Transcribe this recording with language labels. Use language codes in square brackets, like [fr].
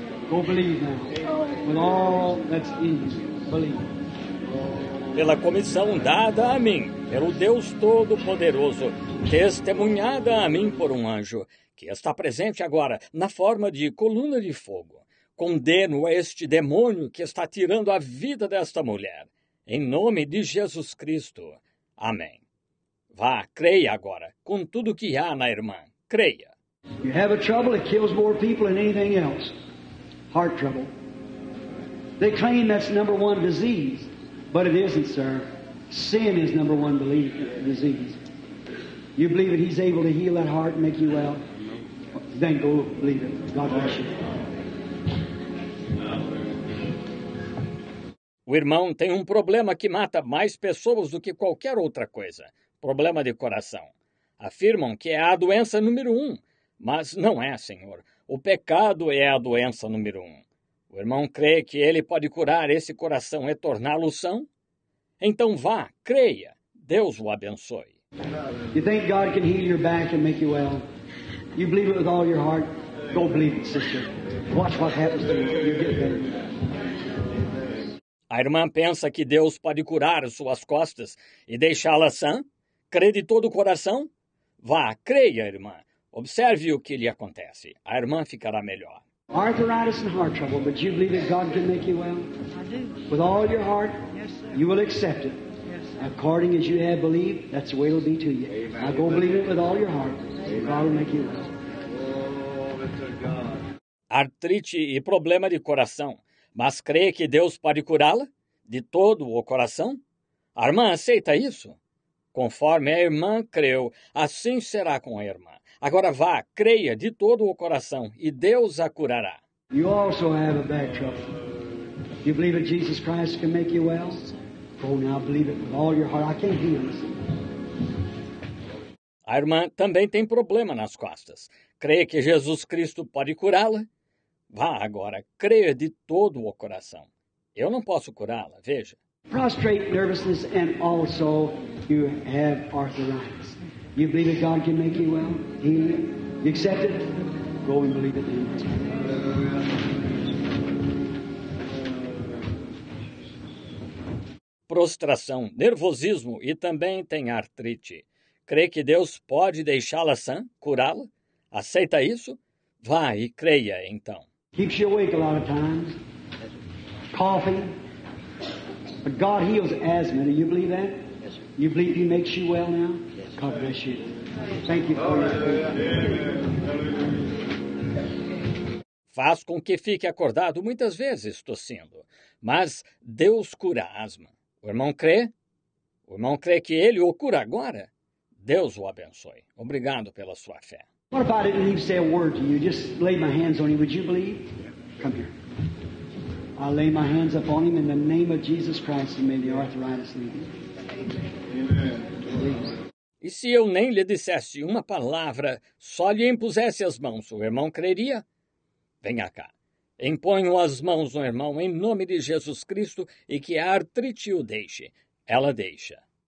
[en] Go believe now. With all that's in you, believe. [pt] Pela comissão dada a mim, pelo Deus Todo-Poderoso, testemunhada a mim por um anjo, que está presente agora na forma de coluna de fogo, condeno a este demônio que está tirando a vida desta mulher. Em nome de Jesus Cristo. Amém. Vá, creia agora, com tudo que há na irmã. Creia. [en] You have a trouble, it kills more people than anything else. Heart trouble. They claim that's number one disease. But it isn't, sir. Sin is number one belief, disease. You believe that he's able to heal that heart and make you well? Then go believe it. God bless you. [pt] O irmão tem um problema que mata mais pessoas do que qualquer outra coisa. Problema de coração. Afirmam que é a doença número um. Mas não é, senhor. O pecado é a doença número um. O irmão crê que ele pode curar esse coração e torná-lo são? Então vá, creia. Deus o abençoe. [en] You think God can heal your back and make you well? You believe it with all your heart? Go believe it, sister. Watch what happens to you. You get better. [pt] A irmã pensa que Deus pode curar suas costas e deixá-la sã? Crê de todo o coração? Vá, creia, irmã. Observe o que lhe acontece. A irmã ficará melhor. [en] Arthritis and heart trouble, but you believe that God can make you well? I do. With all your heart, yes, sir. You will accept it. Yes, sir. According as you have believed, that's the way it will be to you. Amen. Now go believe it with all your heart. Amen. God will make you well. Oh, God. [pt] Artrite e problema de coração. Mas crê que Deus pode curá-la? De todo o coração? A irmã aceita isso? Conforme a irmã creu, assim será com a irmã. Agora vá, creia de todo o coração e Deus a curará. [en] You also have a back trouble. You believe that Jesus Christ can make you well? Oh, now believe it with all your heart. I can't heal this. [pt] A irmã também tem problema nas costas. Crê que Jesus Cristo pode curá-la? Vá agora, creia de todo o coração. Eu não posso curá-la, veja. [en] Prostrate nervousness and also you have arthritis. You believe that God can make you well? Heal you? You accept it? Go and believe it then. [pt] Prostração, nervosismo e também tem artrite. Crê que Deus pode deixá-la sã, curá-la? Aceita isso? Vá e creia então. [en] Keeps you awake a lot of times. Coughing. But God heals asthma. Do you believe that? Yes, sir. You believe he makes you well now? Yes. God bless you. Thank you for your faith. [pt] Faz com que fique acordado muitas vezes, tossindo. Mas Deus cura asma. O irmão crê? O irmão crê que ele o cura agora? Deus o abençoe. Obrigado pela sua fé. [en] What if I didn't even say a word to you? Just lay my hands on you. Would you believe? Come here. I lay my hands upon him in the name of Jesus Christ and may the arthritis leave him. [pt] E se eu nem lhe dissesse uma palavra, só lhe impusesse as mãos, o irmão creria? Venha cá. Imponho as mãos no irmão em nome de Jesus Cristo e que a artrite o deixe. Ela deixa.